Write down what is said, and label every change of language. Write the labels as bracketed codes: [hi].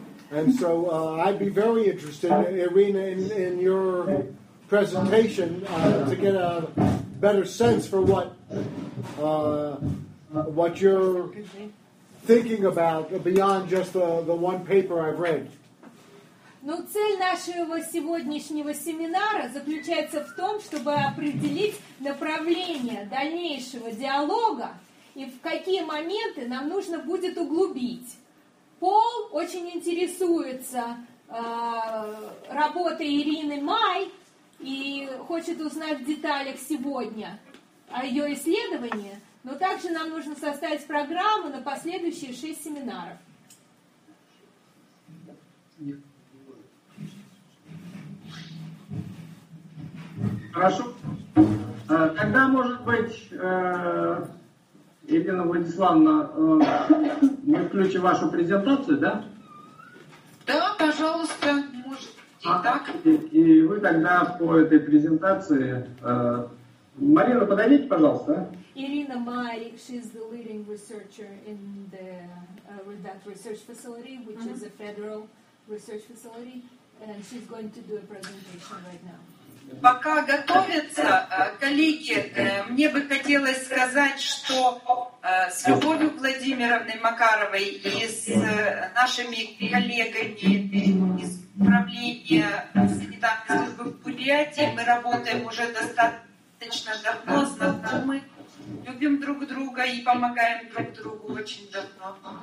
[en] And so I'd be very interested, Irina, in your presentation to get a better sense for what you're thinking about beyond just the one paper I've read. [ru] Ну, цель нашего сегодняшнего семинара заключается в том, чтобы определить направление дальнейшего диалога и в какие моменты нам нужно будет углубить. Пол очень интересуется работой Ирины Май и хочет узнать в деталях сегодня о ее исследовании, но также нам нужно составить программу на последующие 6 семинаров. Хорошо. Тогда, может быть, Елена Владиславовна, мы включим вашу презентацию, да? Да, пожалуйста, можете так. И вы тогда по этой презентации... Марина, подойдите, пожалуйста. [en] Ирина Май, she's the leading researcher in the that research facility, which mm-hmm. is a federal research facility, and she's going to do a presentation right now. [ru] Пока готовятся, коллеги, мне бы хотелось сказать, что с Любовью Владимировной Макаровой и с нашими коллегами из управления санитарной службы в Бурятии мы работаем уже достаточно давно, знакомы, любим друг друга и помогаем друг другу очень давно.